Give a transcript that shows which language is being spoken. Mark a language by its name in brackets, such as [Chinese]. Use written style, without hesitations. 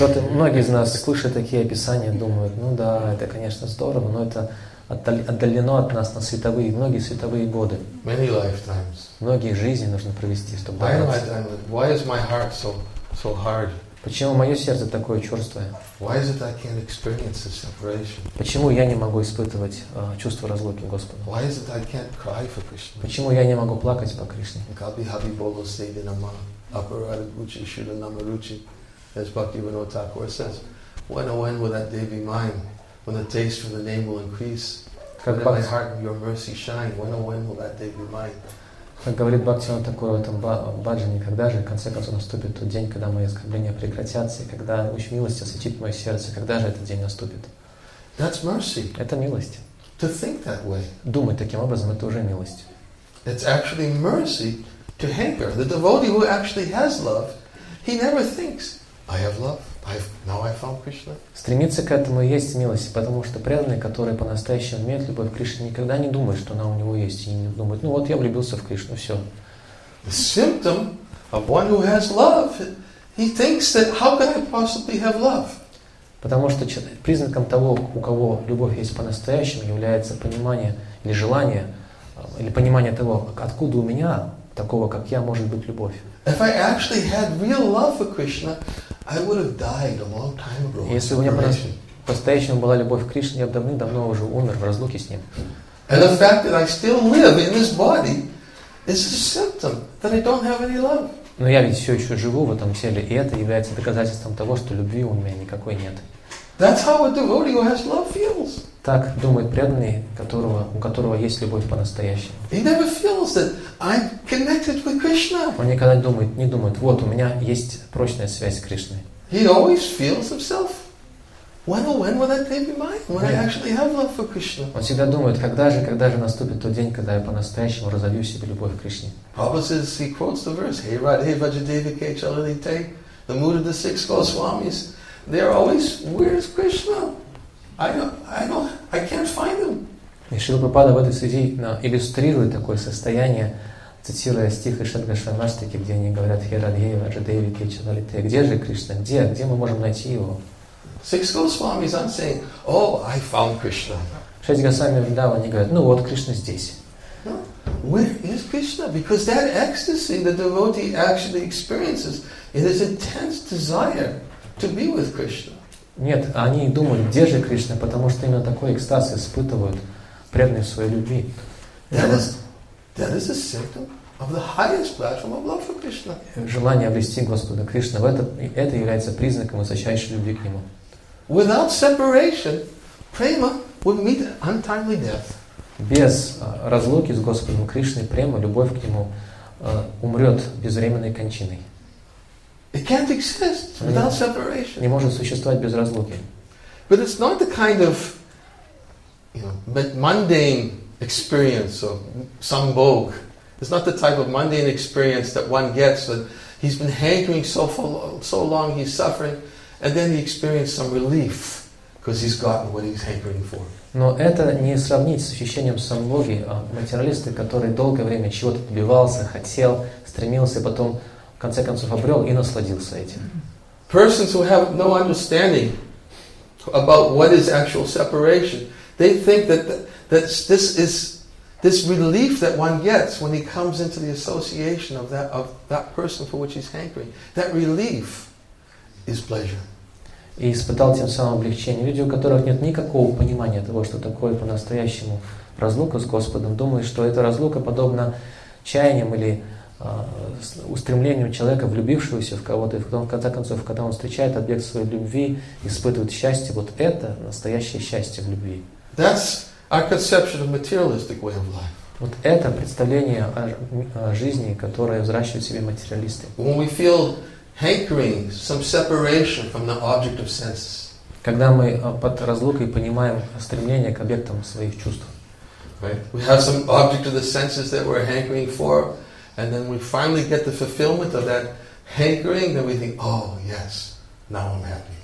[Russian] Многие из нас, слышат такие описания, думают, ну да, это, конечно, здорово, но это отдалено от нас на световые, многие световые годы. [English] Many lifetimes. [Russian] Многие жизни нужно провести, чтобы добраться. [English] Why am I dying? Why is my heart so hard? [Russian] Почему мое сердце такое черствое? [English] Why is it I can't experience the separation? [Russian] Почему я не могу испытывать чувство разлуки Господа? [English] Why is it I can't cry for Krishna? [Russian] Почему я не могу плакать по Кришне? [Bangla] Kabhi habi bolo sevi nama aparad guchi shuda nama ruchi [English] as Bhaktivinoda Thakur says, when will that day be mine? When the taste for the name will increase, when in my heart your mercy shine, when will that day be mine? [Russian] Как говорит Бхактивинода Такура в этом баджане, когда же, в конце концов, наступит тот день, когда мои оскорбления прекратятся, и когда луч милости осветит мое сердце, когда же этот день наступит? [English] That's mercy. [Russian] Это милость. [English] To think that way. [Russian] Думать таким образом, это уже милость. [English] It's actually mercy to hanker. The devotee who actually has love, he never thinks, I have love. Now I found Krishna. [Russian] Стремиться к этому и есть милость, потому что преданный, который по-настоящему имеет любовь к Кришне, никогда не думает, что она у него есть, и не думает, ну вот я влюбился в Кришну, все. [English] The symptom of one who has love, he thinks that how can I possibly have love? [Russian] Потому что признаком того, у кого любовь есть по-настоящему, является понимание или желание или понимание того, откуда у меня такого, как я, может быть любовь. [English] If I actually had real love for Krishna, I would have died a long time ago. [Russian] Если у меня по-настоящему была любовь к Кришне, я бы давным-давно уже умер в разлуке с ним. [English] And the fact that I still live in this body is a symptom that I don't have any love. [Russian] Но я ведь все еще живу в этом теле, и это является доказательством того, что любви у меня никакой нет. [English] That's how a devotee who has love feels. [Russian] Так думает преданный, у которого есть любовь по-настоящему. [English] He never feels that I'm connected with Krishna. [Russian] Он никогда не думает, вот у меня есть прочная связь с Кришной. [English] He always feels himself. When will that day be mine? When I actually have love for Krishna? [Russian] Он всегда думает, когда же наступит тот день, когда я по-настоящему разовью себе любовь к Кришне. [English] Prabhupada says, he quotes the verse, Hey Radhe Vajadevi Kechalite, the mood of the six Goswamis, they're always, where is Krishna? I can't find him. [Russian] И Шрила Прабхупада в этой связи иллюстрирует такое состояние, цитируя стих Ишад Гошвамаштики, где они говорят, Хей Радхе Ваджадеви Кечалите, где же Кришна? Где мы можем найти его? [English] Six Goswamis aren't saying, Oh, I found Krishna. [Russian] Шесть Госвами Вриндава, они говорят, ну вот, Кришна здесь. [English] No. Where is Krishna? Because that ecstasy the devotee actually experiences in his intense desire to be with Krishna. [Russian] Нет, они думают, где же Кришна, потому что именно такой экстаз испытывают преданные в своей любви. [English] That is a symptom of the highest platform of love for Krishna. [Russian] Желание обрести Господа Кришна, это является признаком высочайшей любви к Нему. [English] Without separation, prema would meet untimely death. [Russian] Без разлуки с Господом Кришной, према, любовь к Нему, умрет безвременной кончиной. [English] It can't exist without separation. [Russian] Не может существовать без разлуки. [English] But it's not the kind of, mundane experience of sambhog. It's not the type of mundane experience that one gets when he's been hankering so long, he's suffering, and then he experiences some relief because he's gotten what he's hankering for. [Russian] Но это не сравнить с ощущением сангхи, материалиста, который долгое время чего-то добивался, хотел, стремился, и потом в конце концов обрел и насладился этим. [English] Persons who have no understanding about what is actual separation, they think that this relief that one gets when he comes into the association of that person for which he's hankering, that relief is pleasure. [Russian] И испытал тем самым облегчение. Люди, у которых нет никакого понимания того, что такое по-настоящему разлука с Господом, думают, что эта разлука подобна чаяниям или устремлению человека, влюбившегося в кого-то, и потом, в конце концов, когда он встречает объект своей любви, испытывает счастье. Вот это настоящее счастье в любви. [English] That's our conception of materialistic way of life. [Russian] Вот это представление о жизни, которое взращивают себе материалисты. [English] When we feel hankering, some separation from the object of senses. [Russian] Когда мы под разлукой понимаем стремление к объектам своих чувств. [English] Right? We have some object of the senses that we're hankering for, and then we finally get the fulfillment of that hankering, then we think, oh, yes, now I'm happy.